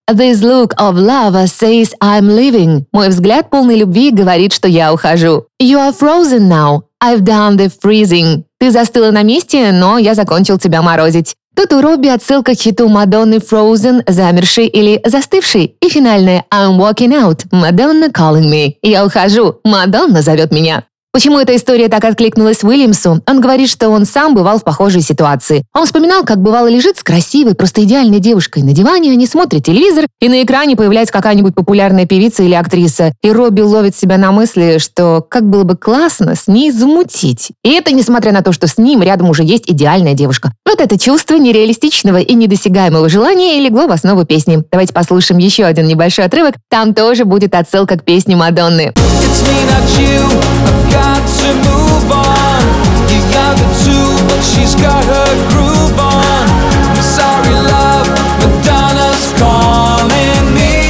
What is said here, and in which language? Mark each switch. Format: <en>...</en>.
<en>This look of love says I'm leaving.</en> <ru>Мой взгляд полный любви говорит, что я ухожу.</ru> <en>You are frozen now. I've done the freezing.</en> <ru>Ты застыла на месте, но я закончил тебя морозить. Тут у Робби отсылка к хиту Мадонны Frozen, замерший или застывший. И финальное</ru> <en>I'm walking out, Madonna calling me.</en> <ru>Я ухожу, Мадонна зовет меня. Почему эта история так откликнулась Уильямсу? Он говорит, что он сам бывал в похожей ситуации. Он вспоминал, как бывало лежит с красивой, просто идеальной девушкой на диване, они смотрят телевизор, и на экране появляется какая-нибудь популярная певица или актриса. И Робби ловит себя на мысли, что как было бы классно с ней замутить. И это несмотря на то, что с ним рядом уже есть идеальная девушка. Вот это чувство нереалистичного и недосягаемого желания и легло в основу песни. Давайте послушаем еще один небольшой отрывок. Там тоже будет отсылка к песне Мадонны.</ru> <en>It's me, not you. Got to move on. You got it too, but she's got her groove on. I'm sorry, love, Madonna's calling me.</en>